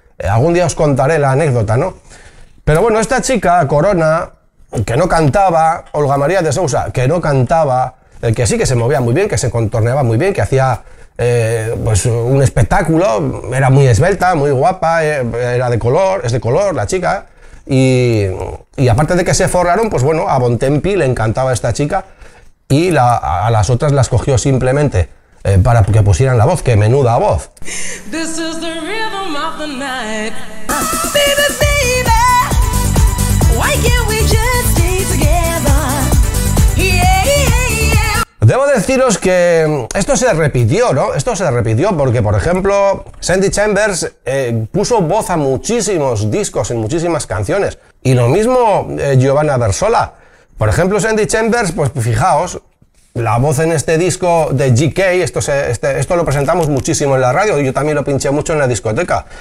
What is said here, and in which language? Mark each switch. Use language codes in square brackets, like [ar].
[es] Algún día os contaré la anécdota, ¿no? Pero bueno, esta chica, Corona, que no cantaba, Olga María de Sousa, que no cantaba, que sí, que se movía muy bien, que se contorneaba muy bien, que hacía pues un espectáculo, era muy esbelta, muy guapa, era de color, es de color la chica, y aparte de que se forraron, pues bueno, a Bontempi le encantaba esta chica, y a las otras las cogió simplemente para que pusieran la voz, que menuda voz. [en] This is the rhythm of the night. Baby, baby, why can't we just stay together? Yeah, yeah, yeah. [es] Debo deciros que esto se repitió, ¿no? Esto se repitió porque, por ejemplo, Sandy Chambers puso voz a muchísimos discos en muchísimas canciones. Y lo mismo Giovanna Bersola. Por ejemplo, Sandy Chambers, pues fijaos, la voz en este disco de GK, esto lo presentamos muchísimo en la radio y yo también lo pinché mucho en la discoteca.